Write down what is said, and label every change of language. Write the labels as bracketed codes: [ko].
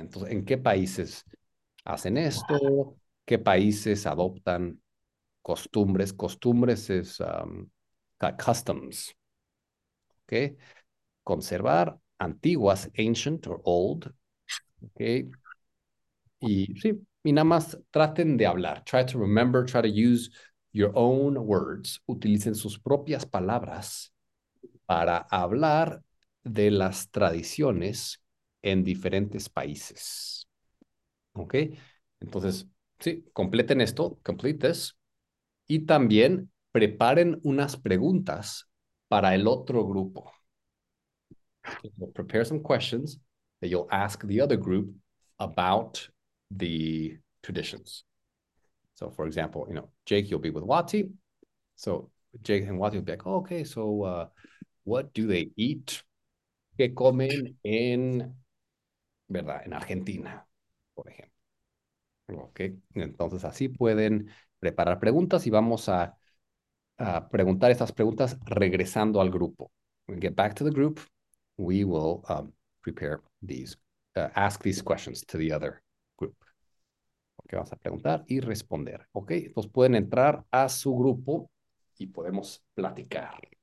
[es] Entonces, ¿en qué países hacen esto? ¿Qué países adoptan costumbres? Costumbres es customs, ¿ok? Conservar antiguas, [en] ancient or old, [es] ¿ok? Y sí, y nada más traten de hablar. [en] Try to remember, try to use your own words. [es] Utilicen sus propias palabras para hablar de las tradiciones en diferentes países. ¿Ok? Entonces, sí, completen esto, [en] complete this. [es] Y también preparen unas preguntas para el otro grupo. [en] So prepare some questions that you'll ask the other group about the traditions. So, for example, you know, Jake, you'll be with Wati. So, Jake and Wati will be like, oh, okay, so what do they eat? [es] ¿Qué comen en, verdad, en Argentina, por ejemplo? Ok, entonces así pueden preparar preguntas y vamos a preguntar estas preguntas regresando al grupo. [en] When we get back to the group, we will prepare these, ask these questions to the other group. [es] Ok, vamos a preguntar y responder. Ok, entonces pueden entrar a su grupo y podemos platicar.